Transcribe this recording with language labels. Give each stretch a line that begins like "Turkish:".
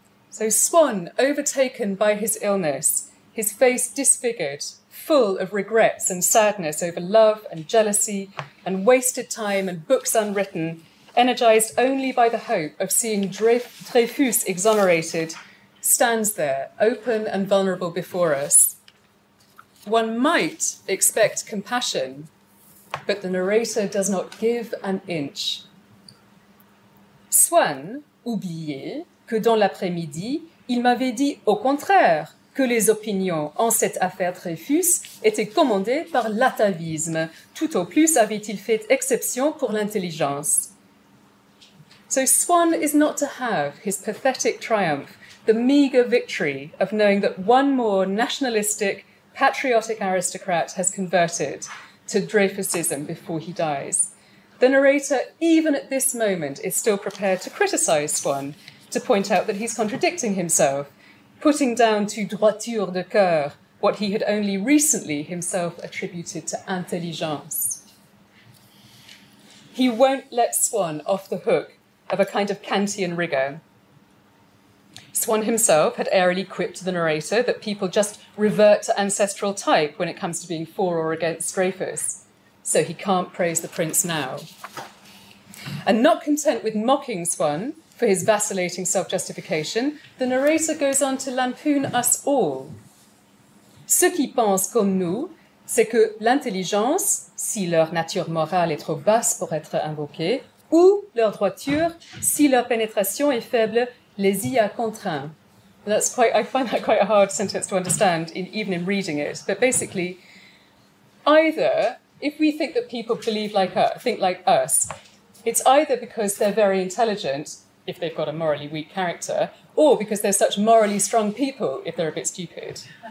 English: So Swan, overtaken by his illness, his face disfigured, full of regrets and sadness over love and jealousy and wasted time and books unwritten, energized only by the hope of seeing Dreyfus exonerated, stands there, open and vulnerable before us. One might expect compassion, but the narrator does not give an inch.
French: Swan oubliait que dans l'après-midi, il m'avait dit au contraire que les opinions en cette affaire Dreyfus étaient commandées par l'atavisme. Tout au plus avait-il fait exception pour l'intelligence.
English: So Swan is not to have his pathetic triumph, the meager victory of knowing that one more nationalistic, patriotic aristocrat has converted to Dreyfusism before he dies. The narrator, even at this moment, is still prepared to criticize Swan, to point out that he's contradicting himself, putting down to
French: droiture de cœur
English: what he had only recently himself attributed to intelligence. He won't let Swan off the hook of a kind of Kantian rigour. Swan himself had airily quipped the narrator that people just revert to ancestral type when it comes to being for or against Dreyfus, so he can't praise the prince now. And not content with mocking Swan for his vacillating self-justification, the narrator goes on to lampoon us all.
French: Ceux qui pensent comme nous, c'est que l'intelligence, si leur nature morale est trop basse pour être invoquée, ou leur droiture, si leur pénétration est faible, les y a contraints.
English: That's quite, I find that quite a hard sentence to understand, even in reading it. But basically, either, if we think that people believe like us, think like us, it's either because they're very intelligent, if they've got a morally weak character, or because they're such morally strong people, if they're a bit stupid.